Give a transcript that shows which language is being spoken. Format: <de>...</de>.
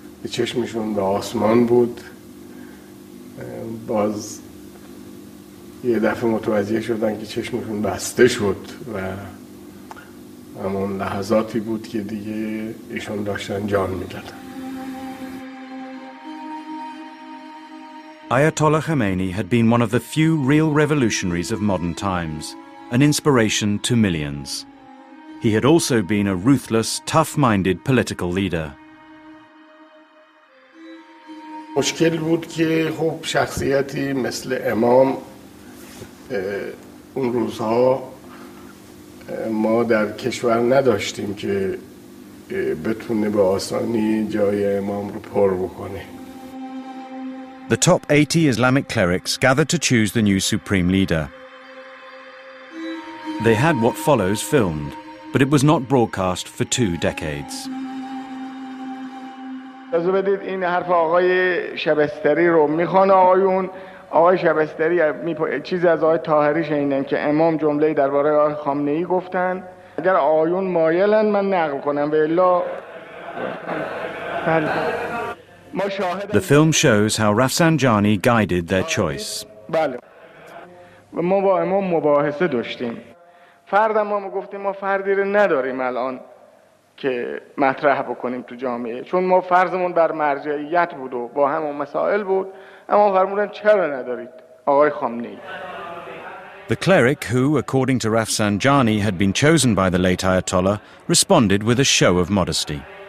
<fa>چشمشون به آسمان بود. باز یه دفعه متوجه شدن که چشمشون بسته شد و همون لحظاتی بود که دیگه ایشون داشتن جان میدادن.</fa> <en>Ayatollah Khomeini had been one of the few real revolutionaries of modern times, an inspiration to millions. He had also been a ruthless, tough-minded political leader.</en> <fa>مشکل بود که خوب شخصیتی مثل امام اون روزها ما در کشور نداشتیم که بتونه به آسانی جای امام رو پر بکنه.</fa> <en>The top 80 Islamic clerics gathered to choose the new supreme leader. They had what follows filmed, but it was not broadcast for two decades.</en> <fa>بذارید این حرف آقای شبستری رو میخوان آقایون آقای شبستری چیز از آقای طاهری شنیدن که امام جمله درباره آقای خامنه ای گفتن اگر آقایون مایلن من نقل کنم و الا ما شاهد</fa> <en>The film shows how Rafsanjani guided their choice.</en> <fa>بله ما با امام مباحثه داشتیم فرد ما گفتیم ما فردی رو نداریم الان که مطرح بکنیم تو جامعه چون ما فرضمون بر مرجعیت بود و با همون مسائل بود اما فرمودن چرا ندارید آقای خامنه‌ای</fa> <en>The cleric who according to Rafsanjani had been chosen by the late Ayatollah responded with a show of modesty</en>